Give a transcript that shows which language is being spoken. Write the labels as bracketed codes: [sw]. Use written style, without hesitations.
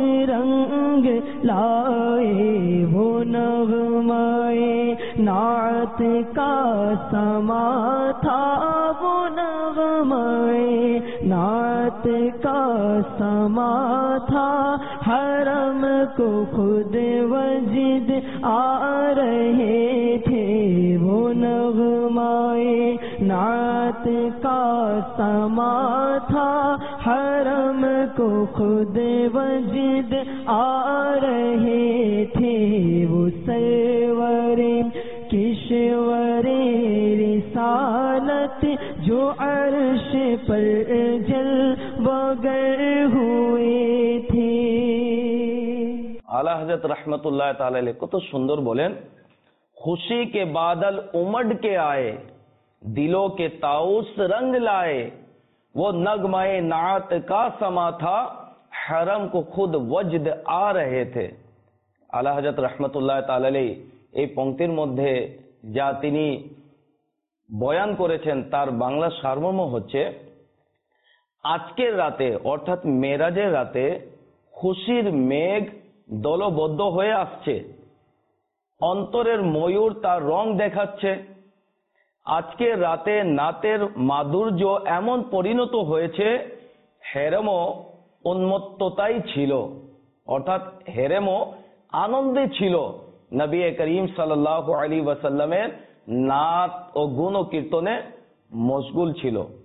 [ur] রঙ লায়ে, ও নগমায়ে নাত কা সমা থা, ও নগমায়ে নাত কা সমা থা, হরম কো خود وجد آ رہے تھے وہ نغمائے نعت کا سما تھا حرم کو خود وجد آ رہے تھے وہ سرور کشور رسالت جو عرش پر جل بگر ہوئے تھے. اعلی حضرت رحمت اللہ تعالی علیہ کو تو سندر بولیں, خوشی کے بادل امڑ کے آئے دلوں کے طاؤس رنگ لائے, وہ نغمہ نعت کا سما تھا حرم کو خود وجد آ رہے تھے. [bn] اعلی حضرت رحمت اللہ تعالی علیہ এই পংক্তির মধ্যে যা তিনি বয়ান করেছেন তার বাংলা সারমর্ম হচ্ছে, আজকের রাতে অর্থাৎ মেরাজের রাতে খুশির মেঘ দলবদ্ধ হয়ে আসছে, অন্তরের ময়ূর তার রং দেখাচ্ছে, আজকের রাতে নাতের মাধুর্য এমন পরিণত হয়েছে হেরেমও উন্মত্ততাই ছিল, অর্থাৎ হেরেমও আনন্দে ছিল নবী করিম সাল্লাল্লাহু আলাইহি ওয়াসাল্লামের নাত ও গুণ কীর্তনে মশগুল ছিল.